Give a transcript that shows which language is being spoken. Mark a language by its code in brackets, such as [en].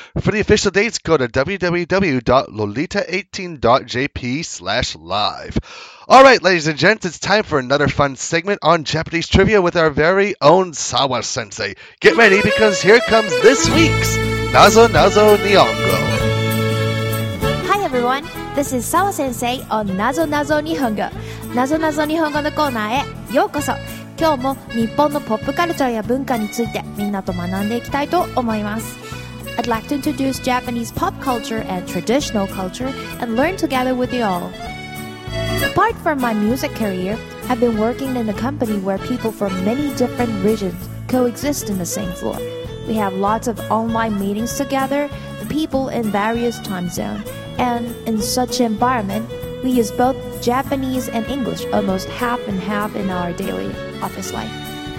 [en] For the official dates, go to www.lolita18.jp/live. All right, ladies and gents, it's time for another fun segment on Japanese trivia with our very own Sawa Sensei. Get ready, because here comes this week's Nazo Nazo Nihongo. Hi, everyone. This is Sawa Sensei on Nazo Nazo Nihongo. [ja] Nazo Nazo Nihongo のコーナーへようこそ。今日も日本のポップカルチャーや文化についてみんなと学んでいきたいと思います。 [en] I'd like to introduce Japanese pop culture and traditional culture and learn together with you all. Apart from my music career, I've been working in a company where people from many different regions coexist in the same floor. We have lots of online meetings together, people in various time zones, and in such environment, we use both Japanese and English almost half and half in our daily office life.